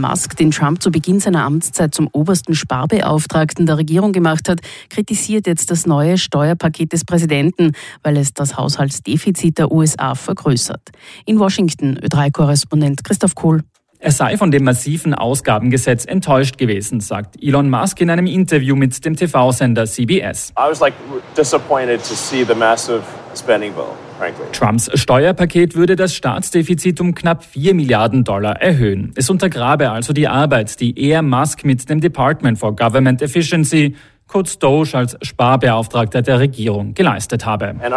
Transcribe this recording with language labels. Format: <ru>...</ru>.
<de>Musk, den Trump zu Beginn seiner Amtszeit zum obersten Sparbeauftragten der Regierung gemacht hat, kritisiert jetzt das neue Steuerpaket des Präsidenten, weil es das Haushaltsdefizit der USA vergrößert. In Washington, Ö3-Korrespondent Christoph Kohl. Er sei von dem massiven Ausgabengesetz enttäuscht gewesen, sagt Elon Musk in einem Interview mit dem TV-Sender CBS.</de> <en>I was like disappointed to see the massive spending bill.</en> <de>Trumps Steuerpaket würde das Staatsdefizit um knapp 4 Milliarden Dollar erhöhen. Es untergrabe also die Arbeit, die er Musk mit dem Department for Government Efficiency, kurz Doge, als Sparbeauftragter der Regierung geleistet habe.</de>